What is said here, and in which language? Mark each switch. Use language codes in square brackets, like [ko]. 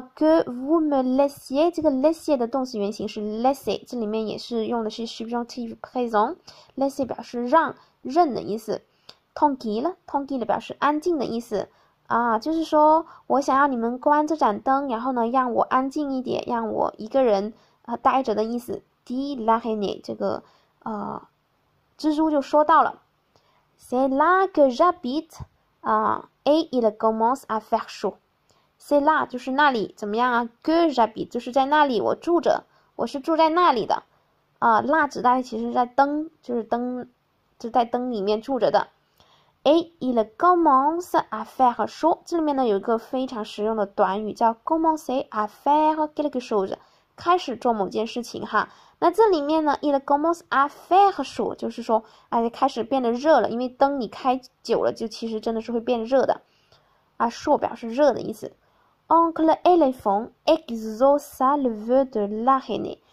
[fr] Que vous me laissiez [zh] 这个 laissiez 的动词原形是 laisser， 这里面也是用的是 subjonctif présent。 Laisser 表示让、任的意思。Tranquille 表示安静的意思。啊，就是说我想要你们关这盏灯，然后呢，让我安静一点，让我一个人待着的意思。 [fr] Di la haine [zh] 这个蜘蛛就说到了 [fr] ，C'est là que j'habite 啊 ，et il commence à faire chaud。 [zh] C'est là 就是那里，怎么样啊 ？Que j'habite 就是在那里，我住着，我是住在那里的。啊 ，là 指代其实在灯，就是灯，就在灯里面住着的。 [fr] Et il commence à faire chaud. [zh] 这里面呢有一个非常实用的短语叫 commencer à faire quelque chose， 开始做某件事情哈。那这里面呢 [fr] il commence à faire chaud， [zh] 就是说哎开始变得热了，因为灯你开久了就其实真的是会变热的。啊 chaud 表示热的意思。 [fr] Oncle éléphant exauça le vœu de l'araignée。